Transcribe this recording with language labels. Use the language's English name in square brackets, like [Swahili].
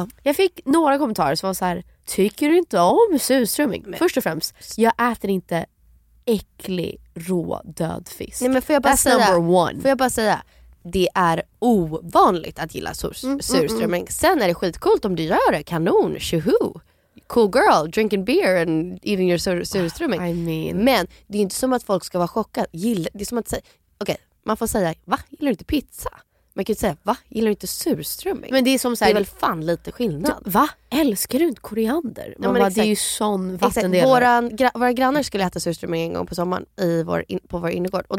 [Swedish] Jag fick några kommentarer som var så här: tycker du inte om surströmming? Först och främst, jag äter inte äcklig, rå, död fisk. Nej, men får jag bara [English] that's [Swedish] säga, [English] number one. [Swedish] Får jag bara säga, det är ovanligt att gilla surströmming. Sen är det skitcoolt om du gör det. Kanon, tjuhu. [English] Cool girl, drinking beer and eating your surströmming. I mean. [Swedish] Men det är inte som att folk ska vara chockade. Det är som att säga, okej, okay, man får säga, va, gillar du inte pizza? Man kan ju säga, va, gillar du inte surströmming? Men det är som så här, det är väl fan lite skillnad. Va, älskar du inte koriander? Ja, men bara, exakt, det är ju sån vattendel. Våra grannar skulle äta surströmming en gång på sommaren på vår innergård.